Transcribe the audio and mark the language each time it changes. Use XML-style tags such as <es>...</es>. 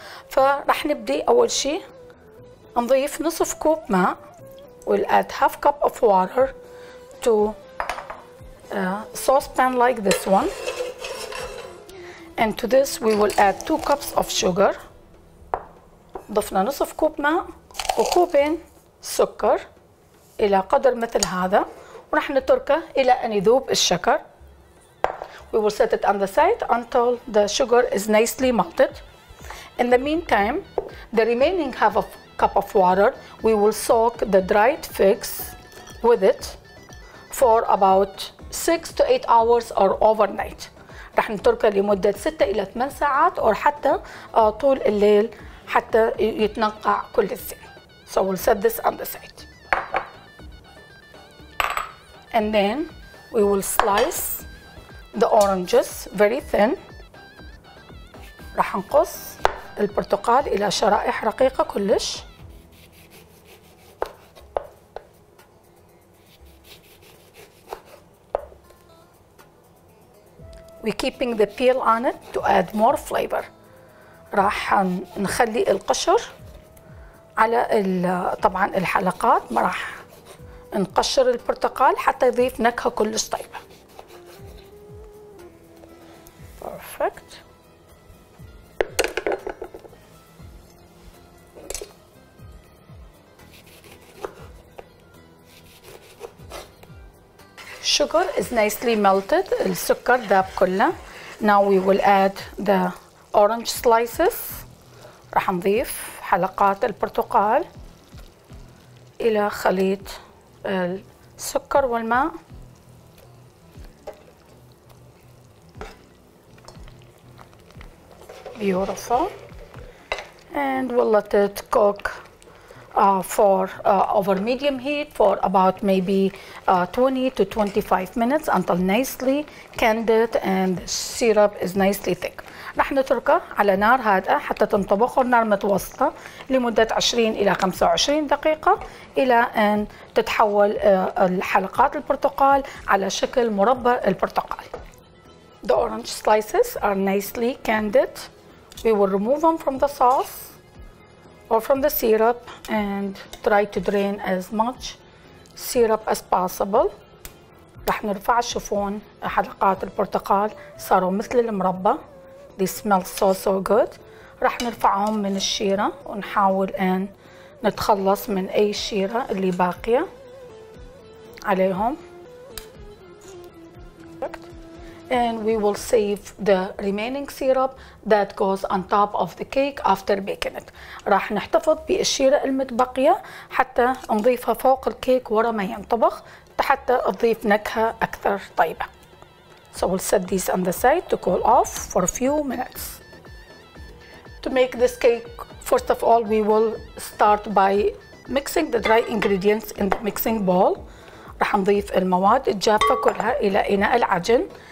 <ar>فراح نبدأ أول شيء نضيف نصف كوب ماء.</ar> <en>We'll add half cup of water to a saucepan like this one. And to this we will add 2 cups of sugar.</en> <ar>ضفنا نصف كوب ماء وكوبين سكر إلى قدر مثل هذا، ورح نتركه إلى أن يذوب الشكر.</ar> <en>We will set it on the side until the sugar is nicely melted. In the meantime, the remaining half of cup of water, we will soak the dried figs with it for about 6 to 8 hours or overnight.</en> <ar>رح نتركه لمدة 6 إلى 8 ساعات أو حتى طول الليل حتى يتنقع كل الزيت.</ar> <en>So we'll set this on the side. And then we will slice the oranges very thin.</en> <ar>رح نقص البرتقال إلى شرائح رقيقة كلش.</ar> <en>We're keeping the peel on it to add more flavor.</en> <ar>راح نخلي القشر على طبعا الحلقات، ما راح نقشر البرتقال حتى يضيف نكهة كلش طيبة.</ar> <en>Perfect. Sugar is nicely melted.</en> <ar>السكر ذاب كله.</ar> <en>Now we will add the orange slices.</en> <ar>راح نضيف حلقات البرتقال إلى خليط السكر والماء.</ar> <en>Beautiful. And we'll let it cook over medium heat for about maybe 20 to 25 minutes until nicely candied and syrup is nicely thick.</en> <ar>رح نتركه على نار هادئة حتى تنطبخ، نار متوسطة لمدة 20 إلى 25 دقيقة إلى أن تتحول الحلقات البرتقال على شكل مربى البرتقال.</ar> <en>The orange slices are nicely candied. We will remove them from the sauce or from the syrup and try to drain as much syrup as possible.</en> <ar>رح نرفع الشفون. حلقات البرتقال صاروا مثل المربى.</ar> <en>They smell so so good.</en> <ar>رح نرفعهم من الشيرة ونحاول ان نتخلص من اي شيرة اللي باقية عليهم.</ar> <en>And we will save the remaining syrup that goes on top of the cake after baking it.</en> <ar>راح نحتفظ بالشيرة المتبقية حتى نضيفها فوق الكيك ورا ما ينطبخ حتى تضيف نكهة أكثر طيبة.</ar> <en>So we'll set these on the side to cool off for a few minutes. To make this cake, first of all, we will start by mixing the dry ingredients in the mixing bowl.</en> <ar>راح نضيف المواد الجافة كلها إلى إناء العجن.</ar>